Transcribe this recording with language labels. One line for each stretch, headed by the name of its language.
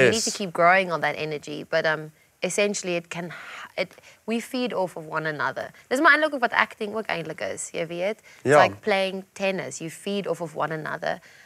English: You need to keep growing on that energy, but essentially we feed off of one another.
Afrikaans: Dis maar eintlik ook wat acting ook eintlik is, jy weet.
English: Yeah. It's like playing tennis, you feed off of one another.